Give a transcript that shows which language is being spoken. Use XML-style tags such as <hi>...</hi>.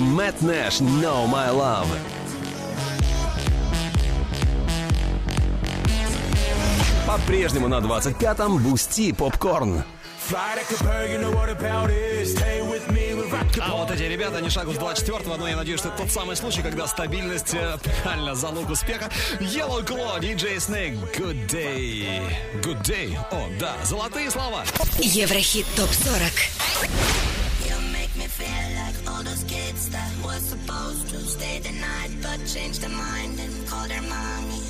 <ru>Мэтт Нэш, Know My Love. По-прежнему на 25-м Бусти, Попкорн. А вот эти ребята, они шагут с 24-го, но я надеюсь, что это тот самый случай, когда стабильность реально залог успеха. Yellow Claw, DJ Snake, Good Day. Good Day. О, да, золотые слова. Еврохит ТОП-40.</ru> <en>You make me feel like all those kids that were supposed to stay the night, but changed their mind and called their mommy.</en>